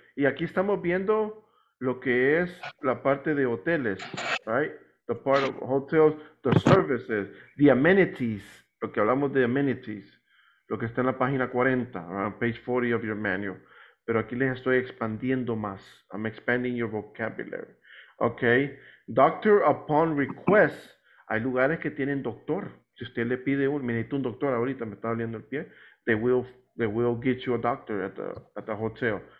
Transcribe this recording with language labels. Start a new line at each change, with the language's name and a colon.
Spanish: Y aquí estamos viendo lo que es la parte de hoteles, right?
English: The part of hotels, the services, the amenities.
Spanish: Lo que hablamos de amenities. Lo que está en la página 40,
English: around page 40 of your manual.
Spanish: Pero aquí les estoy expandiendo más.
English: I'm expanding your vocabulary.
Spanish: Okay.
English: Doctor upon request.
Spanish: Hay lugares que tienen doctor. Si usted le pide un, me necesito un doctor ahorita, me está doliendo el pie.
English: They will get you a doctor at the hotel.